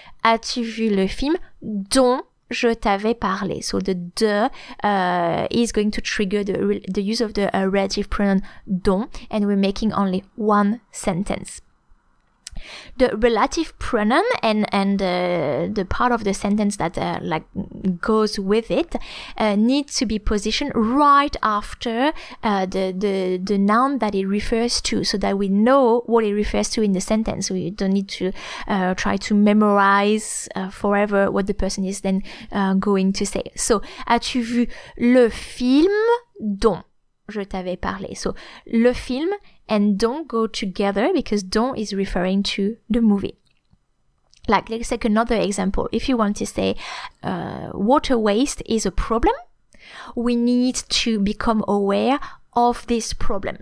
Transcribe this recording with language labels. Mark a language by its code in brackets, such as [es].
[fr] As-tu vu le film dont je t'avais parlé? [en] So the de is going to trigger the use of the relative pronoun don, and we're making only one sentence. The relative pronoun and the part of the sentence that like goes with it needs to be positioned right after the noun that it refers to, so that we know what it refers to in the sentence. We don't need to try to memorize forever what the person is then going to say. So, [fr] as-tu vu le film dont je t'avais parlé? [en] So, le film and don't go together, because don't is referring to the movie. Like, let's take another example. If you want to say water waste is a problem, we need to become aware of this problem.